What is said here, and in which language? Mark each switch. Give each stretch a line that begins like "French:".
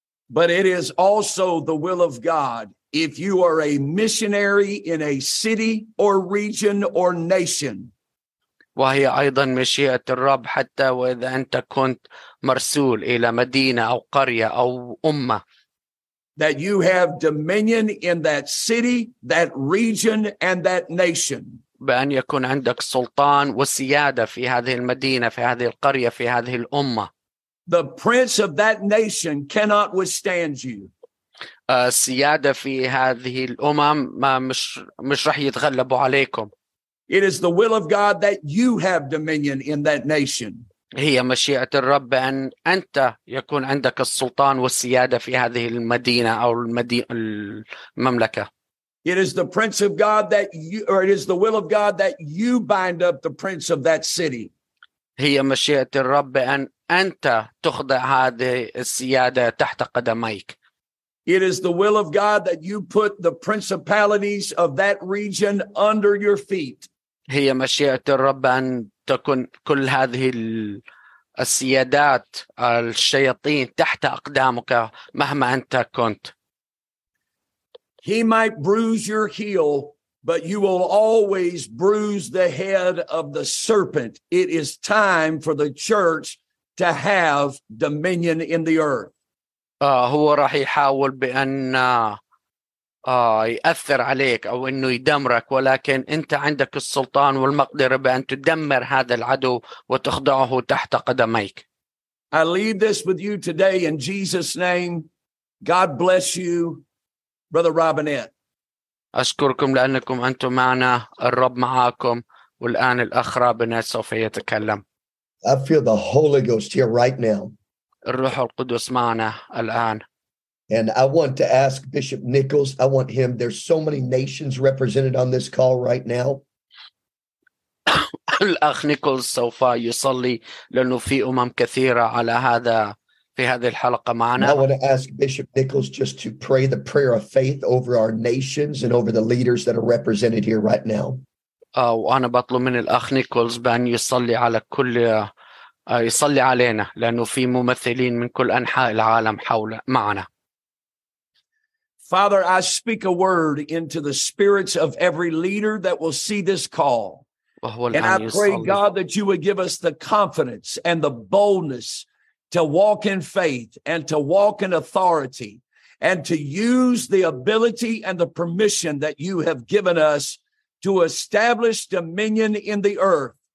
English: But it is also the will of God. If you are a missionary in a city or region or nation,
Arabic: وهي أيضا مشيئة الرب حتى وإذا أنت كنت مرسول إلى مدينة أو قرية أو أمة.
English: That you have dominion in that city, that region, and that nation.
Arabic: بأن يكون عندك سلطان وسيادة في هذه المدينة، في هذه القرية، في هذه الأمة.
English: The prince of that nation cannot withstand you.
Arabic: السيادة في هذه الأمم ما مش رح يتغلبوا عليكم.
English: It is the will of God that you have dominion in that nation.
Arabic: هي مشيئة الرب أن أنت يكون عندك السلطان والسيادة في هذه المدينة أو المملكة.
English: It is the prince of God that you, or it is the will of God that you bind up the prince of that city.
Arabic: هي مشيئة الرب أن أنت تخضع هذه السيادة تحت قدميك.
English: It is the will of God that you put the principalities of that region under your feet.
Arabic: هي مشيئة الرب أن تكون كل هذه السيادات الشياطين تحت أقدامك مهما أنت كنت.
English: He might bruise your heel, but you will always bruise the head of the serpent. It is time for the church to have dominion in the earth.
Arabic: هو راح يحاول بأن يأثر عليك أو أنه يدمرك، ولكن أنت عندك السلطان والمقدرة بأن تدمر هذا العدو وتخضعه تحت قدميك.
English: I leave this with you today in Jesus' name. God bless you, Brother Robinette.
Arabic: أشكركم لأنكم أنتم معنا، الرب معاكم، والآن الأخ روبينيت سوف يتكلم.
English: I feel the Holy Ghost here right now.
Arabic: الروح القدس معنا الآن.
English: And I want to ask Bishop Nichols, I want him, there's so many nations represented on this call right now.
Arabic: الأخ نيكولز سوف يصلي لأنه في أمم كثيرة على هذا في هذه الحلقة معنا.
English: I want to ask Bishop Nichols just to pray the prayer of faith over our nations and over the leaders that are represented here right now.
Arabic: وأنا بطلب من الأخ نيكولز بأن يصلي على كل يصلي علينا لأنه في ممثلين من كل أنحاء العالم حول معنا.
English: Father, I speak a word into the spirits of every leader that will see this call. And I pray, God, that you would give us the confidence and the boldness to walk in faith and to walk in authority and to use the ability and the permission that you have given us to establish dominion in the earth.